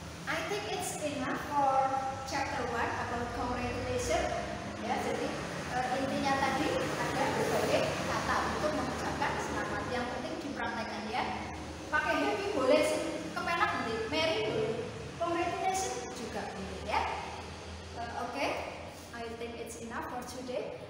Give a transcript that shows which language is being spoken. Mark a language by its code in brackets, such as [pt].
[en] I think it's enough for chapter 1 about congratulation ya. [id] Jadi intinya tadi ada berbagai kata untuk mengucapkan selamat, yang penting dipraktekan ya. Pakai happy boleh sih, kepenak nanti merry boleh, congratulation juga boleh ya. [en] Oke, okay. I think it's enough for today.